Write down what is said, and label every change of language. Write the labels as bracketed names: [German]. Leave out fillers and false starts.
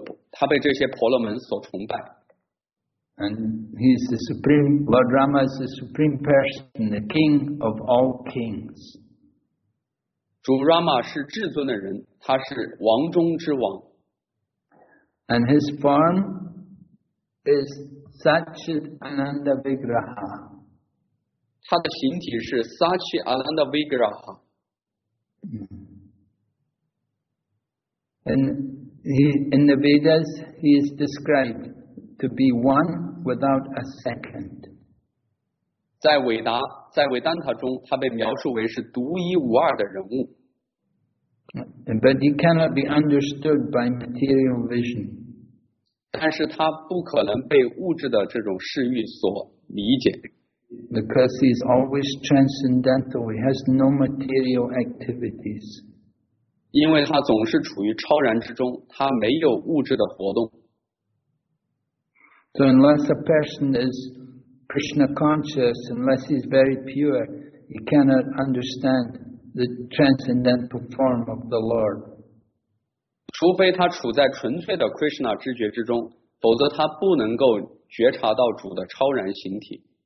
[Chinese] 他被这些婆罗门所崇拜。 [English] And he's the supreme, Lord Rama is the supreme person, the king of all kings. [Chinese] 主 Rama 是至尊的人，他是王中之王。 [English] And his form is Sachit Ananda Vigraha. [Chinese] 他的形体是 Sachit Ananda Vigraha. [English] In the Vedas, he is described. To be one without a second. [Chinese] 在维丹塔中，他被描述为是独一无二的人物。 [English] But he cannot be understood by material vision. [Chinese] 但是他不可能被物质的这种视域所理解。 [English] Because he is always transcendental, he has no material activities. [Chinese] 因为他总是处于超然之中，他没有物质的活动。 [English] So unless a person is Krishna conscious, unless he's very pure, he cannot understand the transcendental form of the Lord. [Chinese] 除非他处在纯粹的 Krishna 知觉之中，否则他不能够觉察到主的超然形体。